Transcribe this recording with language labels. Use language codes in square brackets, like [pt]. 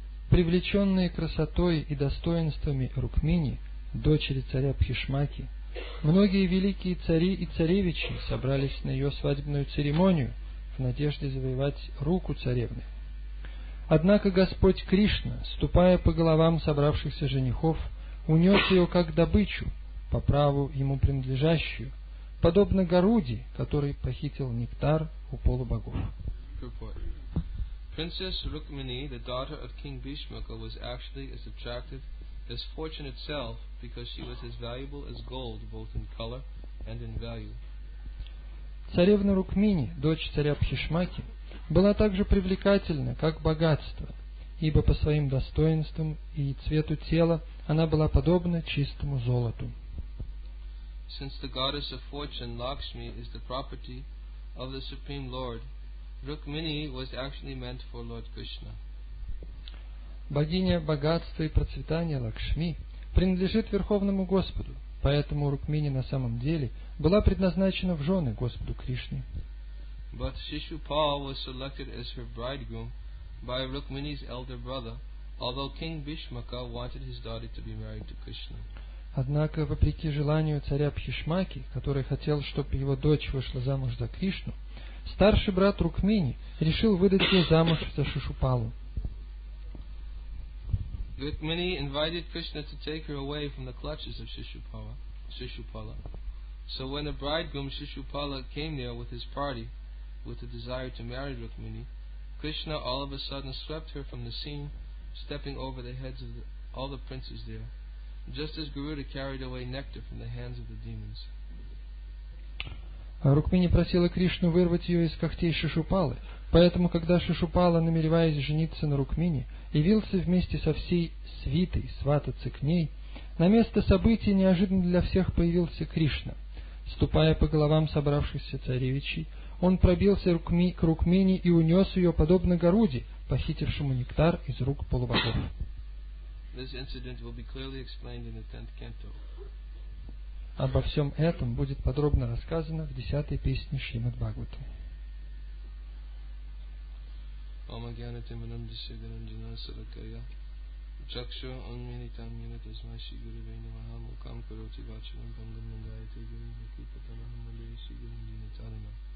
[ru] Привлеченные красотой и достоинствами Рукмини, дочери царя Бхишмаки, многие великие цари и царевичи собрались на ее свадебную церемонию в надежде завоевать руку царевны. Однако Господь Кришна, ступая по головам собравшихся женихов, унес ее как добычу, по праву ему принадлежащую, подобно Гаруде, который похитил нектар у полубогов. [en] Princess Rukmini, the daughter of King Bhishmaka, was actually as attractive as fortune itself, because she was as valuable as gold, both in color and in value. [ru] Царевна Рукмини, дочь царя Бхишмаки, была также привлекательна, как богатство, ибо по своим достоинствам и цвету тела она была подобна чистому золоту. [en] Since the goddess of fortune, Lakshmi, is the property of the Supreme Lord, Rukmini was actually meant for Lord Krishna. [ru] Богиня богатства и процветания Лакшми принадлежит Верховному Господу, поэтому Рукмини на самом деле была предназначена в жены Господу Кришне. [en] But Shishupal was selected as her bridegroom by Rukmini's elder brother, although King Bhishmaka wanted his daughter to be married to Krishna. [ru] Однако, вопреки желанию царя Бхишмаки, который хотел, чтобы его дочь вышла замуж за Кришну, старший брат Рукмини решил выдать ее замуж за Шишупалу. [en] Rukmini invited Krishna to take her away from the clutches of Shishupala. So when the bridegroom Shishupala came there with his party, with the desire to marry Rukmini, Krishna all of a sudden swept her from the scene, stepping over the heads of all the princes there, just as Garuda carried away nectar from the hands of the demons. [ru] Рукмини просила Кришну вырвать ее из когтей Шишупалы, поэтому, когда Шишупала, намереваясь жениться на Рукмини, явился вместе со всей свитой свататься к ней, на место событий неожиданно для всех появился Кришна. Ступая по головам собравшихся царевичей, он пробился к Рукмини и унес ее, подобно Гаруде, похитившему нектар из рук полубогов. [en] This incident will be clearly explained in the 10th canto. [ru] Обо всем этом будет подробно рассказано в 10-й песне Шримад Бхагаваты. [sa] Ома гьяна тиманам дисиганам джинасаракая Чакшу онмини там мина тазмай ши гуру вейна ваха Мукам кароти вачарам пангам нагая ты гуру Маки патанахам малей ши гуру дина тарима